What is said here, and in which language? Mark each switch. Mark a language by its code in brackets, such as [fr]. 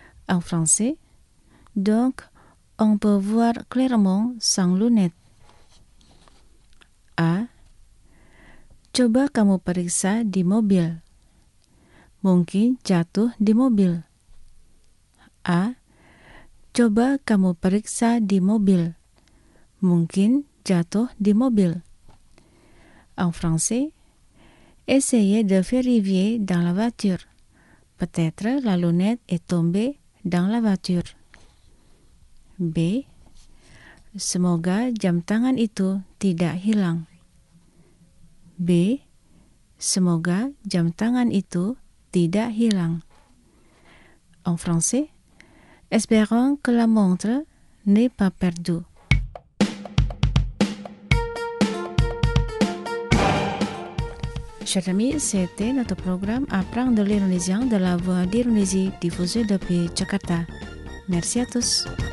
[fr] En français, donc on peut voir clairement sans lunettes. [id] A. Coba kamu periksa di mobil. Mungkin jatuh di mobil. A. Coba kamu periksa di mobil. Mungkin jatuh di mobil. [fr] En français, essayez de vérifier dans la voiture. Peut-être la lunette est tombée dans la voiture. B. [id] Semoga jam tangan itu tidak hilang. B. Semoga jam tangan itu tidak hilang. [fr] En français, espérons que la montre n'est pas perdue. Chers amis, c'était notre programme Apprendre l'Indonésien de la Voix d'Indonésie diffusé depuis Jakarta. Merci à tous.